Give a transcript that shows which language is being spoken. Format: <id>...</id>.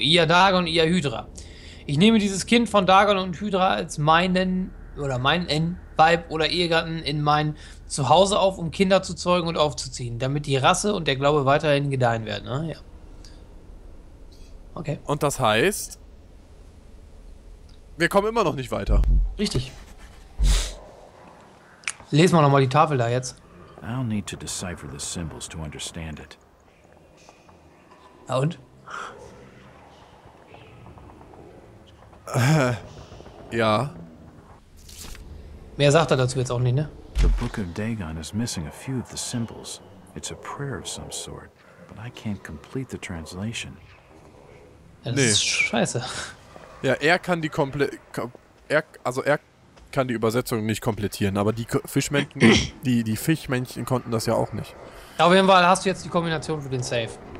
<de>Ia Dagon, Ia Hydra. Ich nehme dieses Kind von Dagon und Hydra als meinen oder meinen Weib oder Ehegatten in mein Zuhause auf, um Kinder zu zeugen und aufzuziehen, damit die Rasse und der Glaube weiterhin gedeihen werden. Ah, ja. Okay. Und das heißt, wir kommen immer noch nicht weiter. Richtig. Lesen wir nochmal die Tafel da jetzt.</de> <en>I'll need to decipher the symbols to understand it.</en> <de>Na und? Ja. Mehr sagt er dazu jetzt auch nicht, ne?</de> <en>The Book of Dagon is missing a few of the symbols. It's a prayer of some sort, but I can't complete the translation.</en> <de>Ja, das ist scheiße. Ja, er kann die Übersetzung nicht komplettieren, aber die Fischmännchen, die Fischmännchen konnten das ja auch nicht. Auf jeden Fall hast du jetzt die Kombination für den Safe.</de>